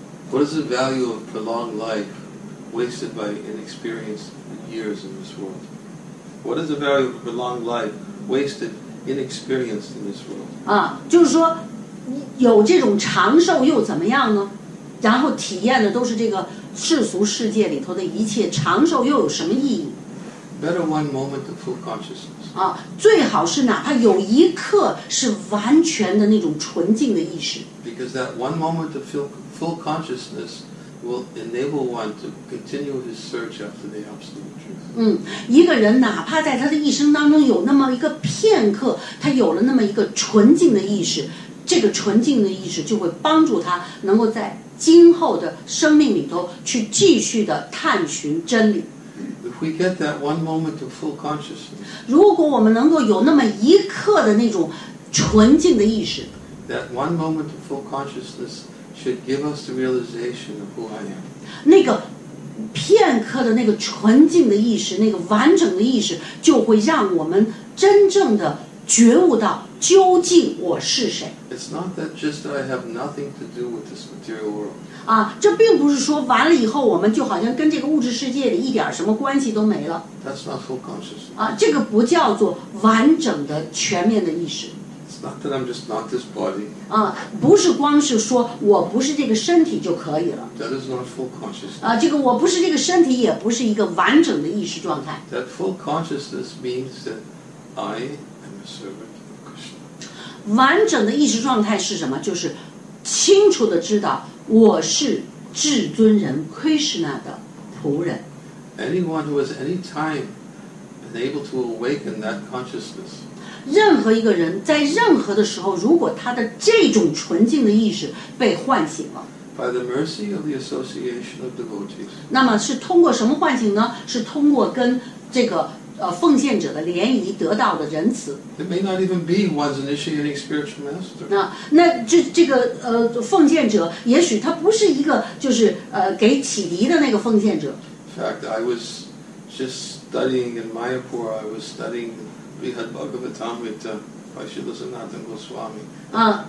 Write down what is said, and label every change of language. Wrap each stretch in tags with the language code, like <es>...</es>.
<en>What is the value of prolonged life wasted by inexperienced years in this world? What is the value of prolonged life wasted inexperienced in this world?</en> <zh>就是说有这种长寿又怎么样呢？然后体验的都是这个世俗世界里头的一切，长寿又有什么意义？</zh> <en>Better one moment of full consciousness.</en> <zh>最好是哪怕有一刻是完全的那种纯净的意识。</zh> <en>Because that one moment of full consciousness will enable one to continue his search after the absolute truth.</en> <zh>一个人哪怕在他的一生当中有那么一个片刻，他有了那么一个纯净的意识，这个纯净的意识就会帮助他能够在今后的生命里头去继续的探寻真理。</zh> <en>If we get that one moment of full consciousness,</en> <zh>如果我们能够有那么一刻的那种纯净的意识，</zh> <en>that one moment of full consciousness should give us the realization of who I am.</en> <zh>那个片刻的那个纯净的意识，那个完整的意识，就会让我们真正的觉悟到究竟我是谁。</zh> <en>It's not that just I have nothing to do with this material world.</en> <zh>这并不是说完了以后我们就好像跟这个物质世界里一点什么关系都没了。</zh> <en>That's not full consciousness.</en> <zh>这个不叫做完整的全面的意识。</zh> <en>It's not that I'm just not this body.</en> <zh>不是光是说我不是这个身体就可以了。</zh> <en>That is not full consciousness.</en> <zh>这个我不是这个身体也不是一个完整的意识状态。</zh> <en>That full consciousness means that I am a servant.</en> <zh>完整的意识状态是什么？就是清楚地知道我是至尊人 Krishna 的仆人。</zh> <en>Anyone who has any time been able to awaken that consciousness.</en> <zh>任何一个人在任何的时候，如果他的这种纯净的意识被唤醒了。</zh> <en>By the mercy of the association of devotees.</en> <zh>那么是通过什么唤醒呢？是通过跟这个奉献者的联谊得到的仁慈。</zh> <en>It may not even be one's initiating spiritual master.</en> <zh>那这个奉献者，也许他不是一个就是给启迪的那个奉献者。</zh> <en>In fact, I was just studying in Mayapur. I was studying Brihad Bhagavatamrita</en> <zh>怀西的圣纳腾果斯瓦米。</zh>